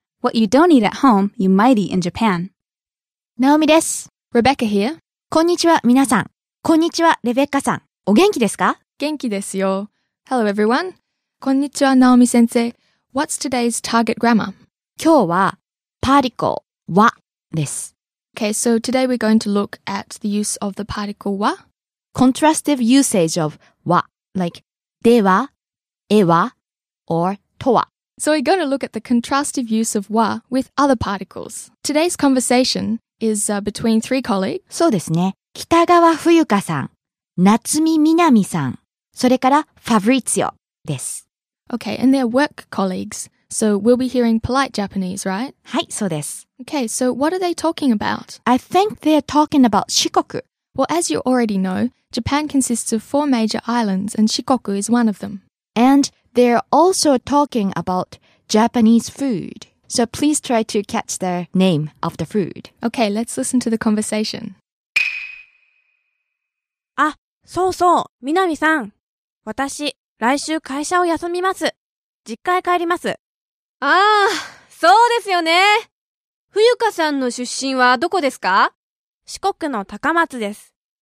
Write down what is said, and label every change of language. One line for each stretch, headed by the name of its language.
English: What you don't eat at home, you might eat in Japan.
Japanese: Naomi です。
English: Rebecca here.
Japanese: こんにちは、みなさん。こんにちは、レベッカさん。お元気ですか？元気ですよ。
English: Hello, everyone.
Japanese: こんにちは、Naomi 先生。
English: What's today's target grammar?
Japanese: 今日は、particle はです。
English: Okay, so today we're going to look at the use of the particle は。 Contrastive usage of は。 Like, では、えは or とは。 So we're going to look at the contrastive use of は with other particles. Today's conversation is between three colleagues.
Japanese: そうですね。北川冬香さん、夏美みなみさん、それからファブリツィオです。
English: Okay, and they're work colleagues. So we'll be hearing polite Japanese, right?
Japanese: はい、そうです。
English: Okay, so what are they talking about? I think they're talking about 四国。 Well, as you already know, Japan consists of four major islands and 四国 is one of them. And they're also talking about Japanese food. So please try to catch the name of the food. Okay, let's listen to the conversation.
Japanese: あ、そうそう、みなみさん。私、来週会社を休みます。実家へ帰ります。ああ、そうですよね。冬香さんの出身はどこですか？四国の高松です。